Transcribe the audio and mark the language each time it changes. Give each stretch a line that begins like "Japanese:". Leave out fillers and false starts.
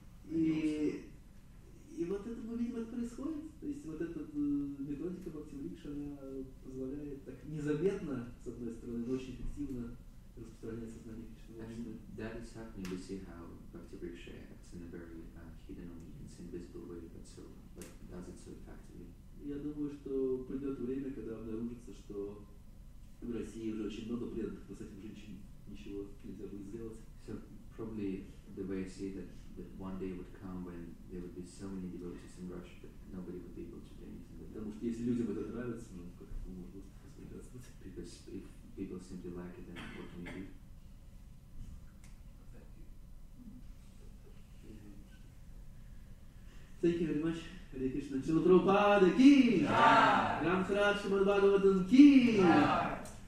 Russian: И вот это мы видим, это происходит. То есть вот эта методика бхакти-викша, она позволяет так незаметно, с одной стороны, но очень эффективно распространять сознание Кришны.
English: That is happening. We see how bhakti-viksha acts in a very hidden, almost invisible way, but so, but does it so effectively.
Russian: Я думаю, что придет время, когда обнаружится, что в России уже очень много преданных, но с этим женщин ничего нельзя будет сделать.
English: So probably the way I see that. That one day would come when there would be so many devotees in Russia that nobody would be able to do anything with them.
Russian: Потому что если людям это нравится, ну как это можно воспринимать?
English: Because if people seem to like it, then what can we do? Thank you very much. Hare Krishna. Shri Prabhupada ki.
Hindi: Jai. Ram Sarat Shri Bhagavatam ki. Jai.